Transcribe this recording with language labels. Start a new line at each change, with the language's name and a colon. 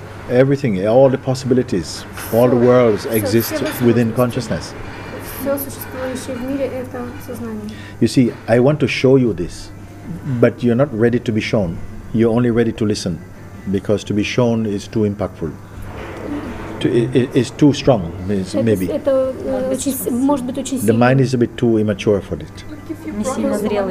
English: Everything, all the possibilities, all the worlds exist within consciousness.
Russian: Все существующее в мире это сознание.
English: You see, I want to show you this. But you're not ready to be shown. You're only ready to listen, because to be shown is too impactful. It's too strong, maybe. The mind is a bit too immature for it.